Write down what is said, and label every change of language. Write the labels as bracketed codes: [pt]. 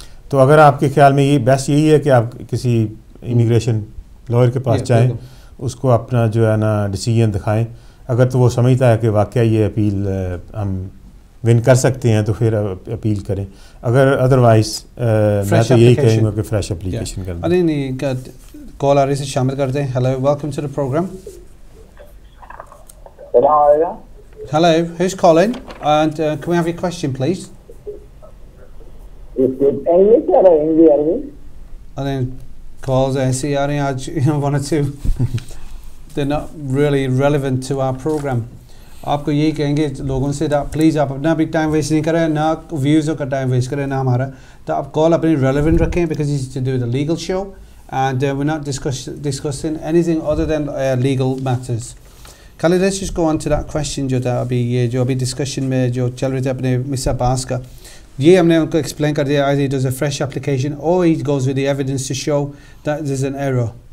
[hi] तो अगर आपके ख्याल में ये बेस्ट यही है कि आप किसी इमिग्रेशन लॉयर के पास जाएं, उसको अपना जो है ना डिसीजन दिखाएं, अगर तो वो समझता है कि वाकई ये अपील हम विन कर सकते हैं तो फिर अपील करें, अगर अदरवाइज मैं तो यही कहूंगा कि फ्रेश एप्लीकेशन कर दें। कॉल आ रही है, शामिल करते हैं। Hello, welcome to the programme. [en] Hello, who's calling? And can we have your question, please? Is it English or Hindi? I think calls, I see, I only had one or two. They're not really relevant to our program. [hi] आपको यही कहेंगे लोगों से, please आप अपना भी time waste नहीं करें, ना व्यूज़ का टाइम वेस्ट करें ना हमारा, तो आप कॉल अपनी रेलिवेंट रखें, [en] Because it's to do the legal show and we not discussing anything other than legal matters. [hi] खाली [en] let's just go on to that question [hi] जो था अभी, ये जो अभी डिस्कशन में जो चल रहे थे अपने मिस्टर अब्बास का, ये हमने उनको एक्सप्लेन कर दिया, [en] I does a fresh application [hi] और [en] He goes with the evidence to show that is an error.